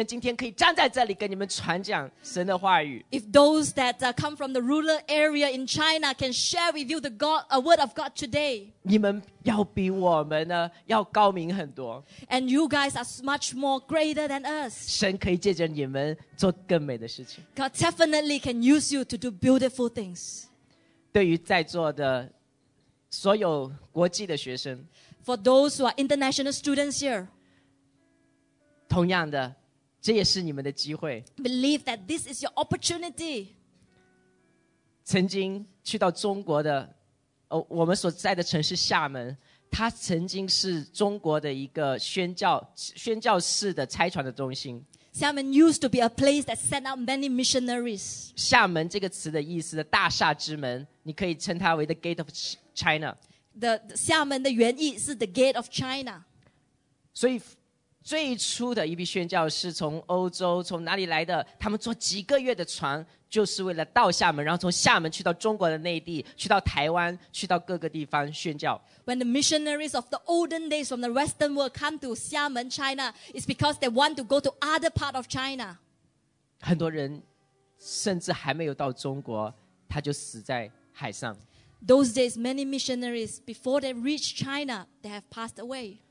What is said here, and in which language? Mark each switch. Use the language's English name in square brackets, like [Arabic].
[Chinese] 如果曾经出生在中国的农村的几位年轻人今天可以站在这里跟你们传讲神的话语。 [English] If those that come from the rural area in China can share with you the God, a word of God today. [Chinese] 你们要比我们呢要高明很多。 [English] And you guys are much more greater than us. [Chinese] 神可以借着你们做更美的事情。 [English] God definitely can use you to do beautiful things. [Chinese] 对于在座的所有国际的学生, [English] For those who are international students here, [Chinese] 同样的, 这也是你们的机会。 [English] Believe that this is your opportunity. [Chinese] 曾经去到中国的, 我们所在的城市厦门, 它曾经是中国的一个宣教士的拆船的中心。 [English] 厦门 used to be a place that sent out many missionaries. [Chinese] 厦门这个词的意思的大厦之门, 你可以称它为 [English] the gate of China. [Chinese] 厦门的原意是 [English] the gate of China. [Chinese] 所以, 最初的一批宣教士从欧洲从哪里来的, 他们坐几个月的船, 就是为了到厦门, 然后从厦门去到中国的内地, 去到台湾, 去到各个地方宣教。 [English] When the missionaries of the olden days from the western world come to Xiamen, China, it's because they want to go to other part of China. [Chinese] 很多人甚至还没有到中国, 他就死在海上。 [English] Those days, many missionaries, before they reach China, they have passed away.